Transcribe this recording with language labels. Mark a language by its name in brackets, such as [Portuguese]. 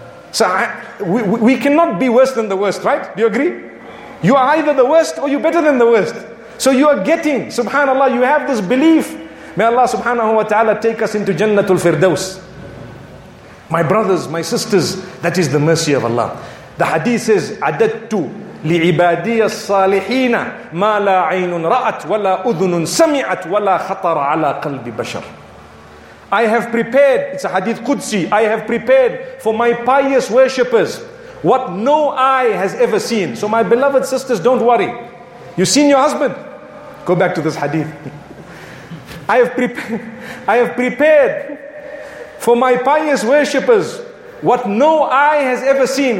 [English] So we cannot be worse than the worst, right? Do you agree? You are either the worst or you're better than the worst. So you are getting, subhanallah, you have this belief. May Allah subhanahu wa ta'ala take us into Jannatul Firdaus. My brothers, my sisters, that is the mercy of Allah. The hadith says, [Arabic] عَدَدْتُ لِعِبَادِيَ الصَّالِحِينَ مَا لَا عَيْنٌ رَأَتْ وَلَا أُذُنٌ سَمِعَتْ وَلَا خَطَرَ عَلَىٰ قَلْبِ بَشَرٍ. [English] I have prepared, it's a hadith Qudsi, I have prepared for my pious worshippers what no eye has ever seen. So my beloved sisters, don't worry. You've seen your husband? Go back to this hadith. I have prepared for my pious worshippers what no eye has ever seen.